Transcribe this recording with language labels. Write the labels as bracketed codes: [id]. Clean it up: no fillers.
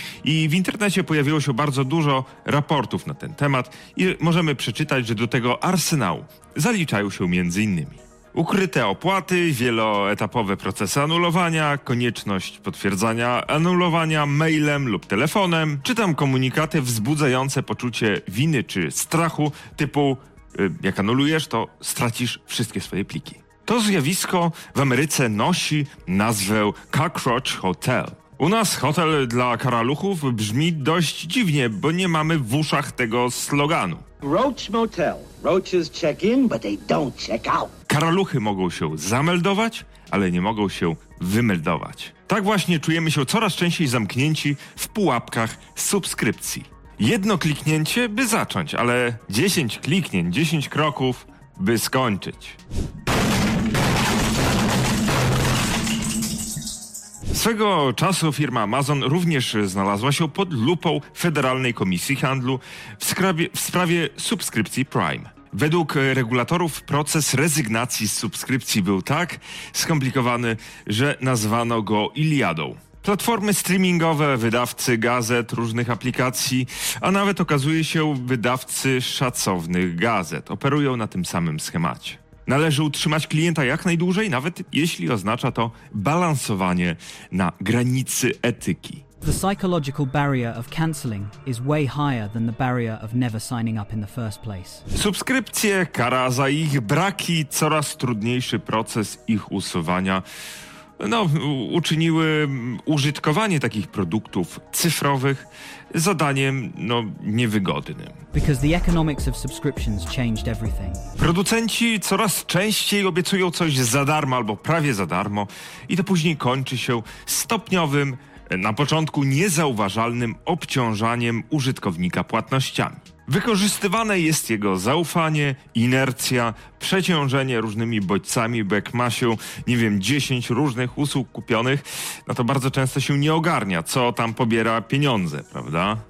[pl] I w internecie pojawiło się bardzo dużo raportów na ten temat i możemy przeczytać, że do tego arsenału zaliczają się między innymi ukryte opłaty, wieloetapowe procesy anulowania, konieczność potwierdzania anulowania mailem lub telefonem, czy tam komunikaty wzbudzające poczucie winy czy strachu typu jak anulujesz, to stracisz wszystkie swoje pliki. To zjawisko w Ameryce nosi nazwę Cockroach Hotel. U nas hotel dla karaluchów brzmi dość dziwnie, bo nie mamy w uszach tego sloganu. Roach Motel. [en] Roaches check in, but they don't check out. [pl] Karaluchy mogą się zameldować, ale nie mogą się wymeldować. Tak właśnie czujemy się coraz częściej zamknięci w pułapkach subskrypcji. Jedno kliknięcie, by zacząć, ale 10 kliknięć, 10 kroków, by skończyć. Swego czasu firma Amazon również znalazła się pod lupą Federalnej Komisji Handlu w sprawie subskrypcji Prime. Według regulatorów proces rezygnacji z subskrypcji był tak skomplikowany, że nazwano go Iliadą. Platformy streamingowe, wydawcy gazet, różnych aplikacji, a nawet okazuje się wydawcy szacownych gazet operują na tym samym schemacie. Należy utrzymać klienta jak najdłużej, nawet jeśli oznacza to balansowanie na granicy etyki. [en] The psychological barrier of cancelling is way higher than the barrier of never signing up in the first place. [pl] Subskrypcje, kara za ich braki, coraz trudniejszy proces ich usuwania. No, uczyniły użytkowanie takich produktów cyfrowych zadaniem, no, niewygodnym. [en] Because the economics of subscriptions changed everything. [pl] Producenci coraz częściej obiecują coś za darmo albo prawie za darmo i to później kończy się stopniowym, na początku niezauważalnym obciążaniem użytkownika płatnościami. Wykorzystywane jest jego zaufanie, inercja, przeciążenie różnymi bodźcami, bo jak ma się, nie wiem, 10 różnych usług kupionych, no to bardzo często się nie ogarnia, co tam pobiera pieniądze, prawda?